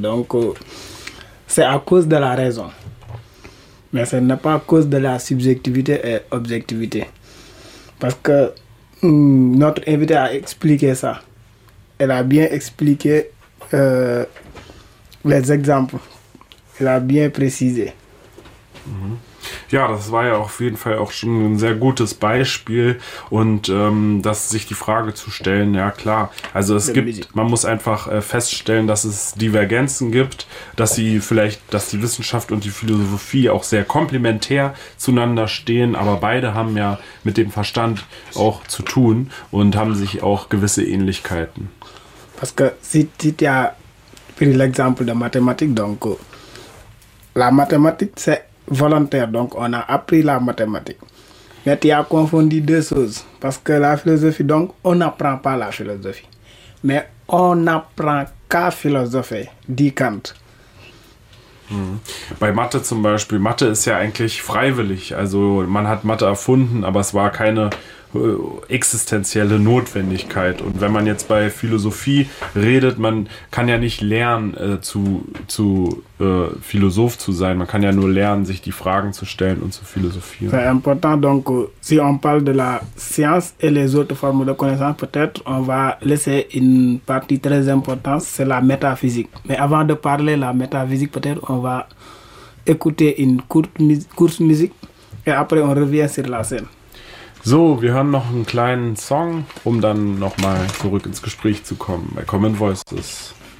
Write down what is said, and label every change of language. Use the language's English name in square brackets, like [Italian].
[French] Donc c'est à cause de la raison. Mais ce n'est pas à cause de la subjectivité et objectivité. Parce que notre invité a expliqué ça. Elle a bien expliqué les exemples. Elle a bien précisé. Mmh. [German] Ja, das war ja auf jeden Fall auch schon ein sehr gutes Beispiel. Und dass sich die Frage zu stellen, ja klar, also es gibt, man muss einfach feststellen, dass es Divergenzen gibt, dass die Wissenschaft und die Philosophie auch sehr komplementär zueinander stehen, aber beide haben ja mit dem Verstand auch zu tun und haben sich auch gewisse Ähnlichkeiten. [French] Parce que c'est [German] ja für [French] l'exemple de mathématique, donc la mathématique c'est volontaire, donc on a appris la mathématique. Mais tu as confondu deux choses. Parce que la philosophie, donc, on n'apprend pas la philosophie. Mais on n'apprend qu'à philosopher, dit Kant. [German] Bei Mathe zum Beispiel, Mathe ist ja eigentlich freiwillig. Also man hat Mathe erfunden, aber es war keine existenzielle Notwendigkeit. Und wenn man jetzt bei Philosophie redet, man kann ja nicht lernen, Philosoph zu sein. Man kann ja nur lernen, sich die Fragen zu stellen und zu philosophieren. [French] C'est important, donc, si on parle de la science et les autres formes de connaissance, peut-être on va laisser une partie très importante, c'est la métaphysique. Mais avant de parler de la métaphysique, peut-être on va écouter une courte musique et après on revient sur la scène. [German] So, wir hören noch einen kleinen Song, um dann nochmal zurück ins Gespräch zu kommen bei Common Voices.